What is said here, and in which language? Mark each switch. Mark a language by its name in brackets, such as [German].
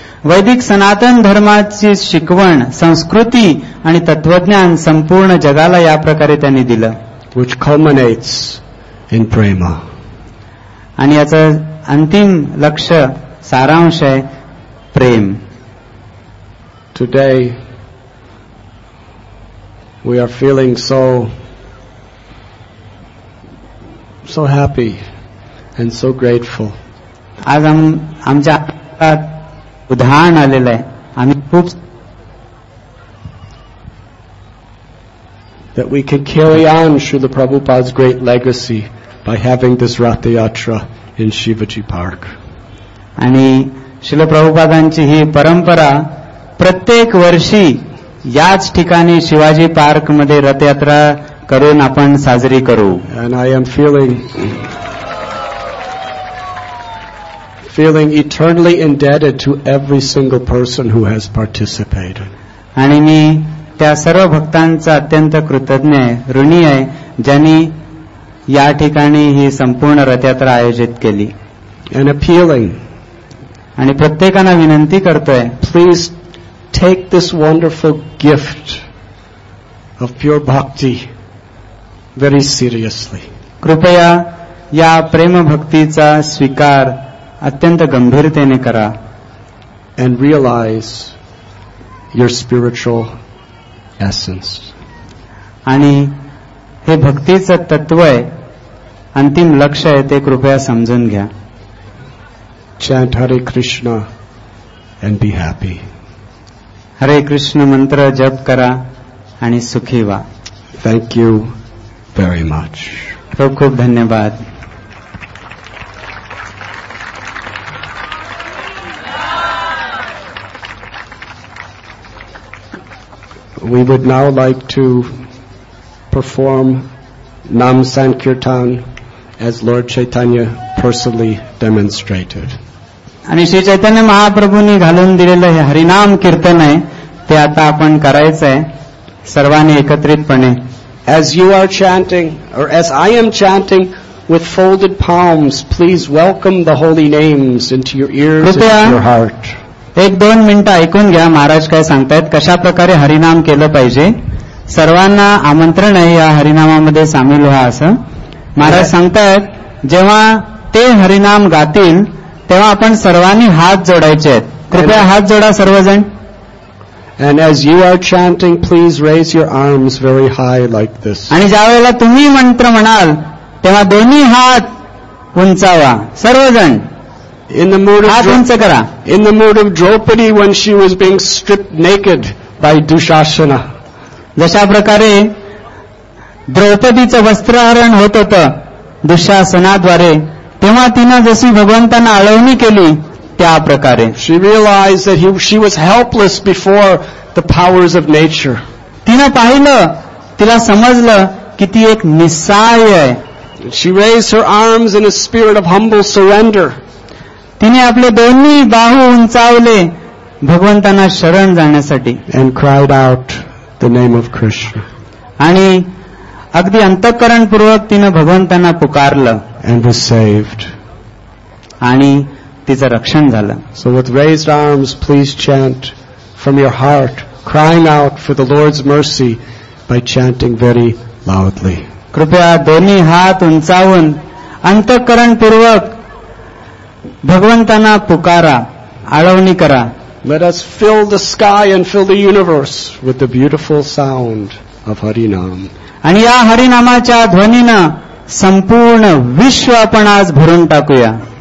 [Marathi] वैदिक सनातन धर्माची शिकवण संस्कृती आणि तत्वज्ञान संपूर्ण जगाला या प्रकारे त्यांनी दिलं. [English] Which culminates in prem. [Marathi] आणि याचं अंतिम लक्ष्य सारांश आहे प्रेम. [English] Today we are feeling so happy and so grateful. [Marathi] आज आमच्या उदाहरण आलेलं आहे. आम्ही खूप [English] that we can carry on Srila Prabhupada's great legacy by having this Rathayatra in Shivaji Park. [Marathi] आणि श्रील प्रभुपादांची ही परंपरा प्रत्येक वर्षी याच ठिकाणी शिवाजी पार्क मध्ये रथयात्रा करून आपण साजरी करू. [English] And I am feeling eternally indebted to every single person who has participated. [Marathi] आणि मी त्या सर्व भक्तांचा अत्यंत कृतज्ञ आहे ऋणी आहे ज्यांनी या ठिकाणी ही संपूर्ण रथयात्रा आयोजित केली. [English] and feeling [Marathi] आणि प्रत्येकांना विनंती करतोय [English] Please take this wonderful gift of pure bhakti very seriously. [Marathi] कृपया या प्रेम भक्तीचा स्वीकार अत्यंत गंभीरतेने करा. [English] And realise your spiritual essence. [Marathi] आणि हे भक्तीचं तत्व आहे अंतिम लक्ष्य आहे ते कृपया समजून घ्या. [English] Chant Hare Krishna and be happy. [Marathi] Hare Krishna mantra jap kara ani sukhi va. [English] Thank you very much. [Marathi] Khub khub dhanyavad. [English] We would now like to perform Nam Sankirtan as Lord Chaitanya personally demonstrated. [Marathi] आणि श्री चैतन्य महाप्रभूंनी घालून दिलेलं हे हरिनाम कीर्तन आहे ते आता आपण करायचंय सर्वांनी एकत्रितपणे. [English] As you are chanting or as I am chanting with folded palms, please welcome the holy names into your ears and your heart. [Marathi] एक दोन मिनिटं ऐकून घ्या महाराज काय सांगतायत कशा प्रकारे हरिनाम केलं पाहिजे. सर्वांना आमंत्रण आहे या हरिनामामध्ये सामील व्हा असं महाराज सांगतायत. जेव्हा ते हरिनाम गातील तेव्हा आपण सर्वांनी हात जोडायचे आहेत. कृपया हात जोडा सर्वजण. [English] And as you are chanting, please raise your arms very high like this. [Marathi] आणि ज्यावेळेला तुम्ही मंत्र म्हणाल तेव्हा दोन्ही हात उंचावा सर्वजण. [English] In the mood of Draupadi when she was being stripped naked by Dushasana. [Marathi] जशा प्रकारे द्रौपदीचं वस्त्रहरण होत होतं दुःशासनाद्वारे तेव्हा तिनं जशी भगवंतांना आळवणी केली त्या प्रकारे. [English] She realized that she was helpless before the powers of nature. [Marathi] तिनं पाहिलं तिला समजलं की ती एक निस्साय आहे. [English] She raised her arms in a spirit of humble surrender. [Marathi] तिने आपले दोन्ही बाहू उंचावले भगवंतांना शरण जाण्यासाठी. [English] And cried out the name of Krishna. [Marathi] आणि अगदी अंतःकरणपूर्वक तिने भगवंतांना पुकारलं. [English] And was saved. [Marathi] आणि तिचं रक्षण झालं. [English] So with raised arms, please chant from your heart, crying out for the Lord's mercy by chanting very loudly. [Marathi] कृपया दोन्ही हात उंचावून अंतःकरणपूर्वक भगवंतांना पुकारा आळवणी करा. [English] Let us fill the sky and fill the universe with the beautiful sound of Harinam. [Marathi] आणि या हरिनामाच्या ध्वनीनं संपूर्ण विश्व आपण आज भरून टाकूया.